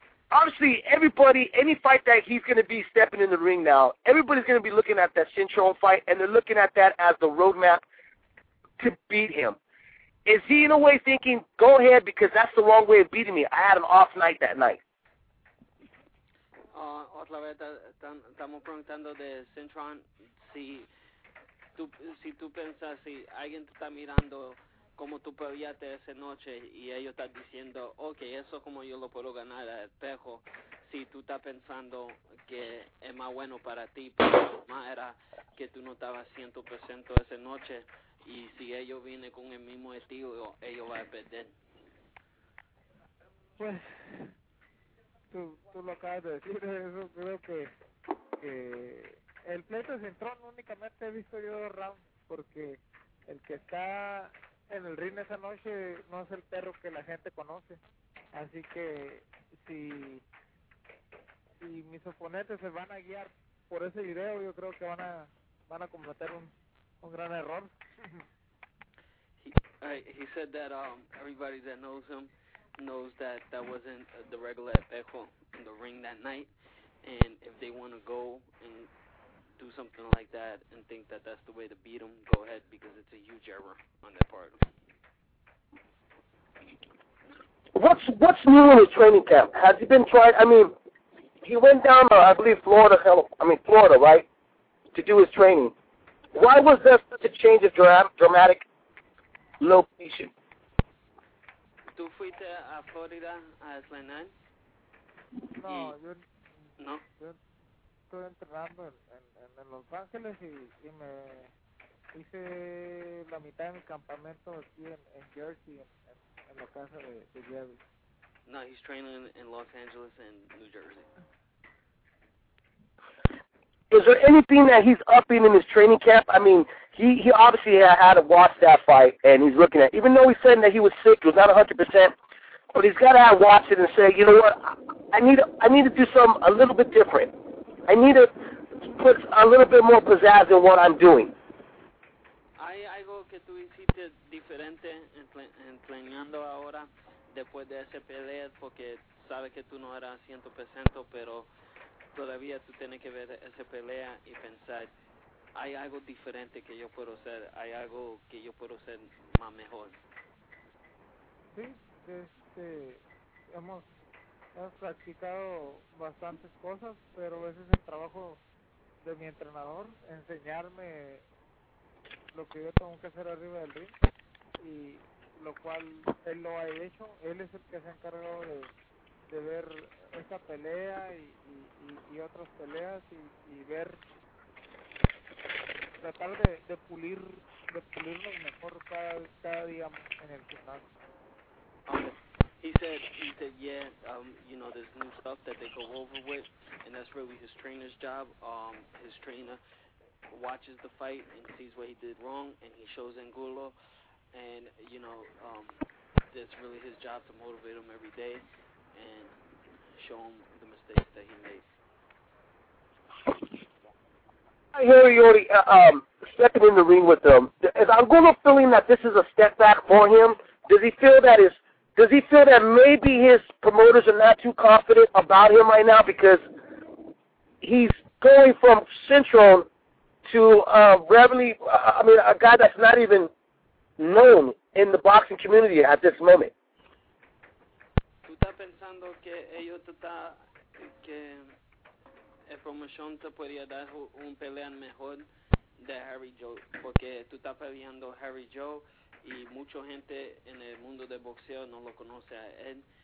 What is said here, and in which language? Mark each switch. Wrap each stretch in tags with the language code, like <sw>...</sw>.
<en>obviously, everybody, any fight that he's going to be stepping in the ring now, everybody's going to be looking at that Cinturón fight, and they're looking at that as the roadmap to beat him. Is he in a way thinking, go ahead, because that's the wrong way of beating me? I had an off night that night.</en> <es>Otra vez, estamos preguntando de Cinturón, si tú piensas, si alguien te está mirando como tú peleaste esa noche y ellos están diciendo, okay, eso es como yo lo puedo ganar al espejo, si tú estás pensando que es más bueno para ti, pero más era que tú no estabas 100% esa noche y si ellos vienen con el mismo estilo, ellos van a perder. Pues, tú lo acabas de decir, eso creo que el pleito de Cintrón únicamente he visto yo dos rounds, porque el que está en el ring esa noche no es el perro que la gente conoce, así que si mis oponentes se van a guiar por ese video, yo creo que van a cometer un gran error.</es> <en>He said that everybody that knows him knows that wasn't the regular Epejo in the ring that night, and if they want to go and do something like that and think that that's the way to beat him, go ahead, because it's a huge error on their part. What's new in the training camp? Has he been tried? I mean, he went down to, I believe, Florida, right, to do his training. Why was there such a change of dramatic location?</en> <es>¿Tú fuiste a Florida, a Slenan? No, yo... ¿No? Yo estoy entrenando en Los Ángeles y me hice la mitad de mi campamento aquí en Jersey, en la casa de Jerry.</es> <en>No, he's training in Los Angeles and New Jersey. Is there anything that he's upping in his training camp? I mean, he obviously had to watch that fight, and he's looking at, even though he said that he was sick, he was not 100%, but he's got to have watched it and say, you know what, I need to do something a little bit different. I need to put a little bit more pizzazz in what I'm doing.</en> <es>Hay algo que tú hiciste diferente entrenando ahora después de ese pelea, porque sabes que tú no eras 100%, pero todavía tú tienes que ver esa pelea y pensar, hay algo diferente que yo puedo hacer, hay algo que yo puedo hacer más mejor. Sí, hemos practicado bastantes cosas, pero ese es el trabajo de mi entrenador, enseñarme lo que yo tengo que hacer arriba del ring, y lo cual él lo ha hecho, él es el que se ha encargado de ver esta pelea y otras peleas y ver, tratar de pulirnos mejor cada día en el final. Okay.</es> <en>He said yeah, you know, there's new stuff that they go over with, and that's really his trainer's job. His trainer watches the fight and sees what he did wrong, and he shows Angulo, and you know, that's really his job to motivate him every day and show him the mistakes that he made. I hear you already stepping in the ring with him. Is Angulo feeling that this is a step back for him? Does he feel that maybe his promoters are not too confident about him right now because he's going from Cintrón to a guy that's not even known in the boxing community at this moment?</en> <es>¿Estás pensando que ellos que el promoción te podría dar un pelea mejor de Harry Joe? Porque tú estás peleando Harry Joe y mucha gente en el mundo del boxeo no lo conoce a él.</es>